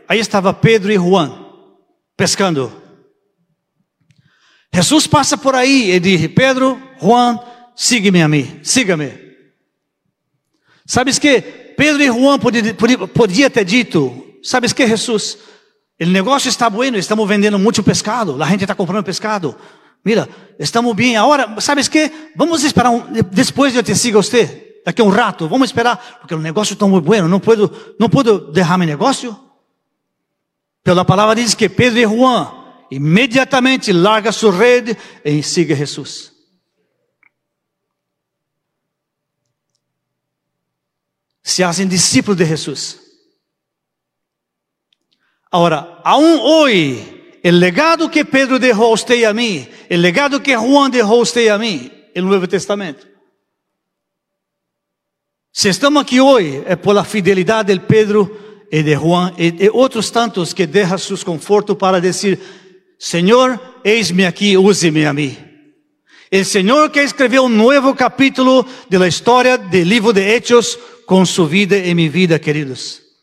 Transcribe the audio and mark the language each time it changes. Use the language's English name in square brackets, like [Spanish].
[Spanish] Ahí estaba Pedro y Juan pescando. Jesús pasa por ahí y dice, Pedro, Juan, sígueme a mí, sígueme. ¿Sabes qué? Pedro y Juan podía haber dicho, ¿sabes qué, Jesús? El negocio está bueno, estamos vendiendo mucho pescado, la gente está comprando pescado. Mira, estamos bien. Ahora, ¿sabes qué? Vamos a esperar, después yo te sigo a usted. [Portuguese] Daqui a um rato, vamos esperar, porque o negócio está muito bueno, não posso deixar meu negócio. Pela palavra diz que Pedro e Juan imediatamente larga sua rede e siga Jesus. Se fazem discípulos de Jesus. Agora, aún hoje, o legado que Pedro deixou a você e a mim, o legado que Juan deixou a você e a mim, o Novo Testamento. [Spanish] Si estamos aquí hoy es por la fidelidad del Pedro y de Juan y de otros tantos que dejan sus confortos para decir, Señor, heisme aquí, úseme a mí. El Señor que escribió un nuevo capítulo de la historia del libro de Hechos con su vida y mi vida, queridos.